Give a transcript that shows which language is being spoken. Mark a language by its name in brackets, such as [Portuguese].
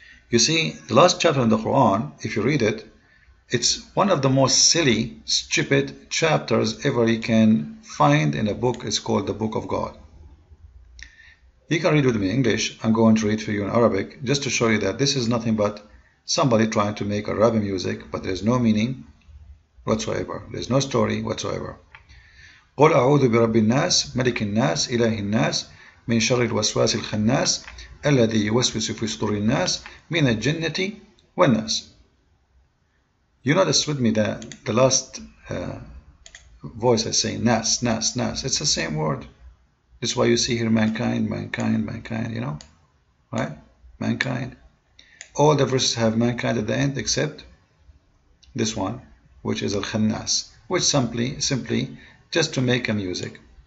[English] You see, the last chapter in the Quran, if you read it, it's one of the most silly, stupid chapters ever you can find in a book. It's called the Book of God. You can read with me in English. I'm going to read for you in Arabic, just to show you that this is nothing but somebody trying to make Arabic music, but there's no meaning whatsoever. There's no story whatsoever. [Arabic] قل أعوذ برب الناس ملك الناس إله الناس من شر الوسواس الخناس الذي يوسوس في صدور الناس من الجنة والناس. [English] You notice with me that the last voice I say [Arabic] ناس ناس ناس, [English] it's the same word. This is why you see here mankind, mankind, mankind, you know, right? Mankind. All the verses have mankind at the end except this one, which is الخناس, which simply just to make a music.